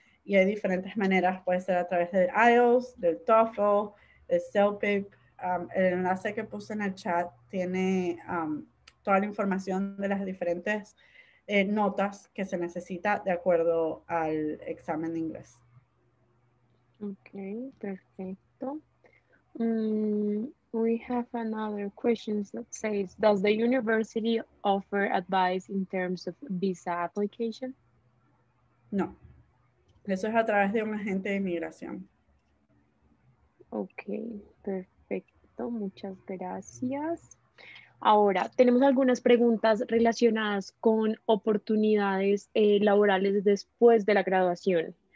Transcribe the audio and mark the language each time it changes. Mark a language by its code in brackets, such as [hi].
[es] Y hay diferentes maneras, puede ser a través del IELTS, del TOEFL, el CELPIP. El enlace que puse en el chat tiene toda la información de las diferentes notas que se necesita de acuerdo al examen de inglés. Ok, perfecto. [en] We have another question that says, does the university offer advice in terms of visa application? [es] No. Eso es a través de un agente de inmigración. Ok, perfecto. Muchas gracias. Ahora, tenemos algunas preguntas relacionadas con oportunidades laborales después de la graduación.